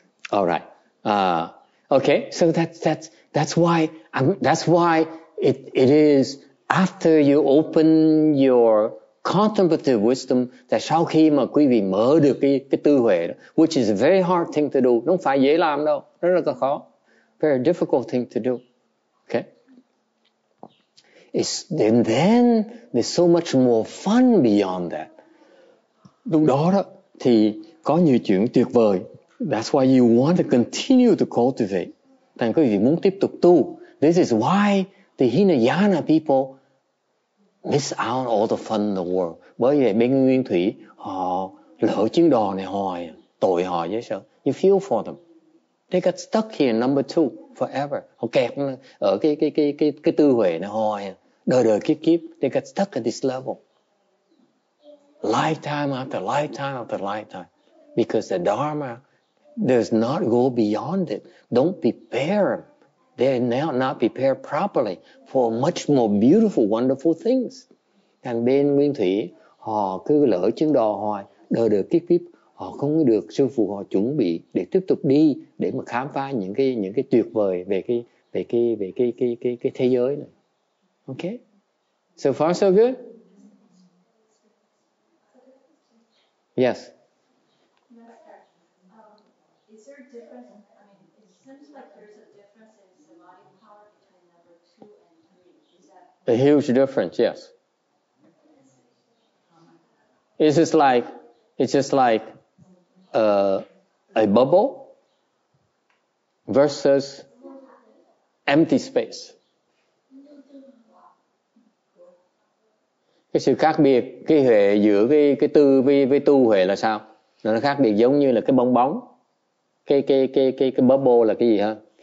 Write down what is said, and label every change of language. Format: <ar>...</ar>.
<en>All right. Okay. So that's why it is after you open your contemplative wisdom that</en> <vi>sau khi mà quý vị mở được cái tư huệ đó,</vi> <en>which is a very hard thing to do.</en> <vi>Không phải dễ làm đâu. Rất là khó.</vi> <en>Very difficult thing to do. Okay. It's, and then there's so much more fun beyond that.</en> <vi>Lúc đó đó thì có nhiều chuyện tuyệt vời.</vi> <en>That's why you want to continue to cultivate.</en> <vi>Thành quý vị muốn tiếp tục tu.</vi> <en>This is why the Hinayana people miss out all the fun in the world.</en> <vi>Bởi vì bên Nguyên Thủy họ lỡ chuyến đò này hoài, tội họ dễ sợ.</vi> <en>You feel for them. They got stuck here, number two, forever.</en> <vi>Họ kẹt ở cái tư huệ này hoài, đời đời kiếp kiếp.</vi> <en>They got stuck at this level. Lifetime after lifetime after lifetime. Because the Dharma does not go beyond it. Don't prepare them. They are now not prepared properly for much more beautiful, wonderful things.</en> <vi>Thằng bên Nguyên Thủy, họ cứ lỡ chuyến đò hoài, đời đời kiếp kiếp. Họ không được sư phụ họ chuẩn bị để tiếp tục đi để mà khám phá những cái tuyệt vời về cái thế giới này.</vi> <en>Okay, so far so good. Yes. A huge difference. Yes. It's just like a bubble versus empty space.</en> <vi>Cái sự khác biệt cái hệ giữa cái tư với tu huệ là sao? Nó khác biệt giống như là cái bong bóng. Cái bubble là cái gì ha?</vi>